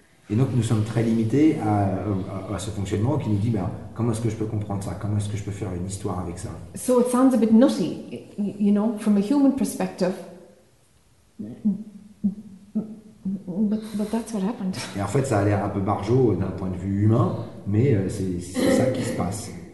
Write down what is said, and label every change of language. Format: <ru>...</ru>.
<fr>Et donc nous sommes très limités à ce fonctionnement qui nous dit ben, comment est-ce que je peux comprendre ça? Comment est-ce que je peux faire une histoire avec ça?</fr> <en>So it sounds a bit nutty, you know, from a human perspective. But that's what happened.</en> <fr>Et en fait, ça a l'air un peu barjot d'un point de vue humain, mais c'est ça qui se passe.</fr>